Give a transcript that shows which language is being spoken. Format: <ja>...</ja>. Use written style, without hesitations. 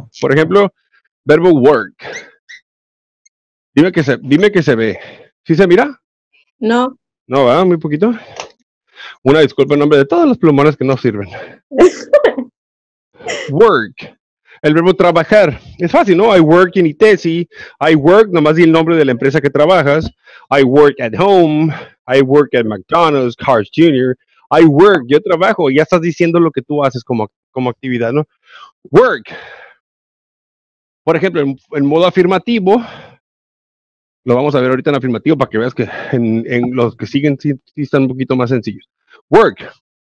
<es>Por ejemplo, verbo work. Dime que se ve. ¿Sí se mira? No. No, ¿verdad? Muy poquito. Una disculpa en nombre de todas las plumones que no sirven. Work. El verbo trabajar. Es fácil, ¿no?</es> <en>I work in ITESI. I work,</en> <es>nomás di el nombre de la empresa que trabajas.</es> <en>I work at home. I work at McDonald's, Carl's Jr. I work,</en> <es>yo trabajo. Ya estás diciendo lo que tú haces como actividad, ¿no? Work. Por ejemplo, en modo afirmativo, lo vamos a ver ahorita en afirmativo para que veas que en los que siguen sí están un poquito más sencillos. Work.</es>